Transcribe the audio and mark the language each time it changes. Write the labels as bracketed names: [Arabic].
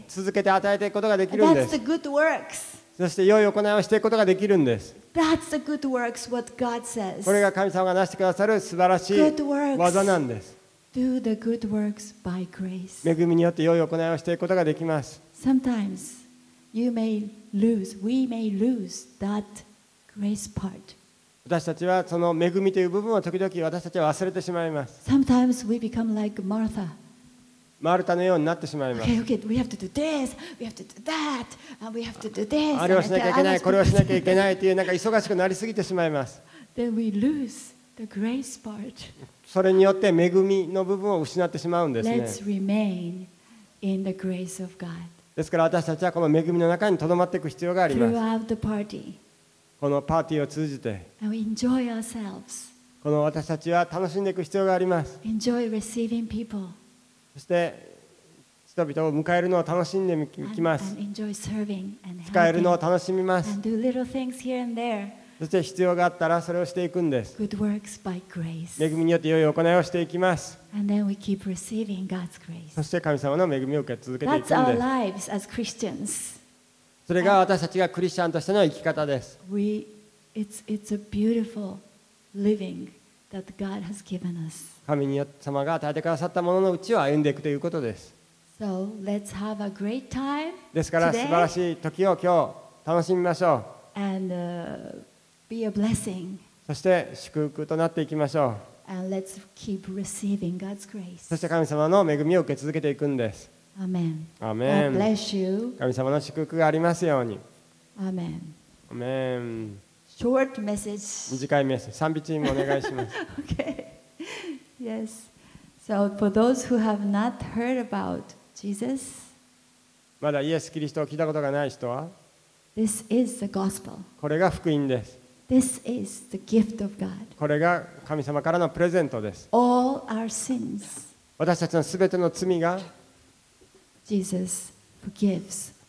[Japanese] 続けて与えていくことができるんです。 [English] That's the good works. [Japanese] そして良い行いをしていくことができるんです。 [English] That's the good works. What God says. [Japanese] これが神様がなしてくださる素晴らしい技なんです。 [English] Do the good works by grace. [Japanese] 恵みによって良い行いをしていくことができます。 [English] Sometimes you may lose, we may lose that grace part. [Japanese] 私たちはその恵みという部分を時々私たちは忘れてしまいます。 [English] Sometimes we become like Martha. [Japanese] マルタのようになってしまいます。 [English] Okay, okay, we have to do this, we have to do that, and we have to do this. [Japanese] あれをしなきゃいけない、これをしなきゃいけないというなんか忙しくなりすぎてしまいます。 [English] Then we lose the grace part. [Japanese] それによって恵みの部分を失ってしまうんですね。 [English] Let's remain in the grace of God. [Japanese] ですから私たちはこの恵みの中にとどまっていく必要があります。 [English] Throughout the party. [Japanese] このパーティーを通じて。 [English] And we enjoy ourselves. [Japanese] この私たちは楽しんでいく必要があります。 [English] Enjoy receiving people. [Japanese] そして人々を迎えるのを楽しんでいきます。 [English] And enjoy serving and helping. [Japanese] 使えるのを楽しみます。 [English] And do little things here and there. [Japanese] そして必要があったらそれをしていくんです。 [English] Good works by grace. [Japanese] 恵みによって良い行いをしていきます。 [English] And then we keep receiving God's grace. [Japanese] そして神様の恵みを受け続けていくんです。 [English] That's our lives as Christians. [Japanese] それが私たちがクリスチャンとしての生き方です。 [English] It's a beautiful living that God has given us. [Japanese] 神様が与えてくださったもののうちを歩んでいくということです。 [English] So let's have a great time today. [Japanese] ですから素晴らしい時を今日楽しみましょう。 [English] And be a blessing. [Japanese] そして祝福となっていきましょう。 [English] And let's keep receiving God's grace. [Japanese] そして神様の恵みを受け続けていくんです。 [English] Amen. Amen. God bless you. [Japanese] 神様の祝福がありますように。 [English] Amen. Amen. Short message. [Japanese] 短いメッセージ。賛美チームお願いします。 [English] Okay. Yes. So for those who have not heard about Jesus. [Japanese] まだイエス・キリストを聞いたことがない人は。 [English] This is the gospel. [Japanese] これが福音です。 [English] This is the gift of God. [Japanese] これが神様からのプレゼントです。 [English] All our sins. [Japanese] 私たちのすべての罪が [English] Jesus forgives.